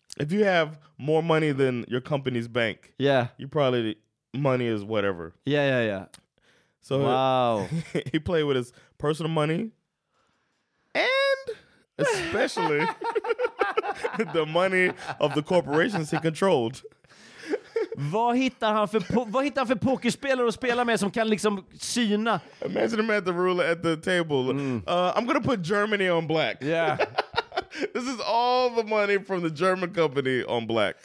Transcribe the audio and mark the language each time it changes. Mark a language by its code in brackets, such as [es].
[en] If you have more money than your company's bank, yeah, you probably, money is whatever. Yeah, yeah, yeah. So wow. He played with his personal money and especially the money of the corporations he controlled. [sv] Vad hittar han för pokerspelare att spela med som kan liksom syna? [en] Imagine him at the ruler at the table. Mm. I'm going to put Germany on black. Yeah. This is all the money from the German company on black.